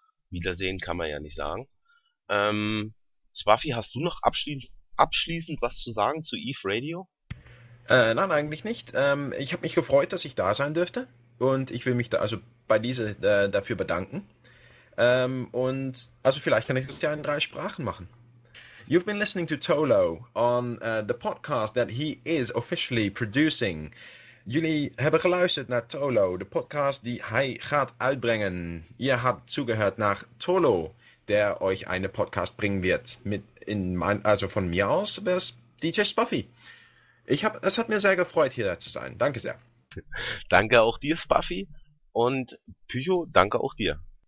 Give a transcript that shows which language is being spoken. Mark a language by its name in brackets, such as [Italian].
[German] Wiedersehen kann man ja nicht sagen. Spuffy, hast du noch abschließend was zu sagen zu Eve Radio? Nein, eigentlich nicht. Ich habe mich gefreut, dass ich da sein dürfte und ich will mich da also bei dieser dafür bedanken. Und also vielleicht kann ich das ja in drei Sprachen machen. [English] You've been listening to Tolo on the podcast that he is officially producing. [Dutch] Jullie hebben geluisterd naar Tolo, de podcast die hij gaat uitbrengen. [German] Ihr habt zugehört nach Tolo, der euch eine Podcast bringen wird. Also von mir aus wäre es DJ Spuffy. Es hat mir sehr gefreut, hier zu sein. Danke sehr. Danke auch dir, Spuffy. Und Pycho, danke auch dir.